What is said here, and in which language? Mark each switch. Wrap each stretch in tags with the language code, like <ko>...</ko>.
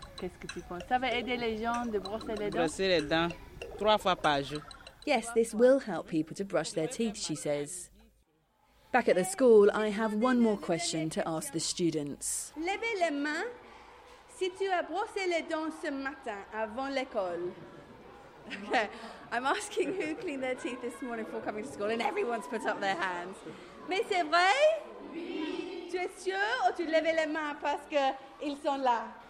<fr>Qu'est-ce que tu penses? Ça va aider les gens de brosser les dents? Brosser les dents trois fois par jour.</fr> <en>Yes, this will help people to brush their teeth, she says. Back at the school, I have one more question to ask the students.</en> <fr>Levez les mains si tu as brossé les dents ce matin avant l'école.</fr> <en>Okay, I'm asking who cleaned their teeth this morning before coming to school, and everyone's put up their hands.</en> <fr>Mais c'est vrai? Oui. Tu es sûr ou tu levais les mains parce que ils sont là?</fr>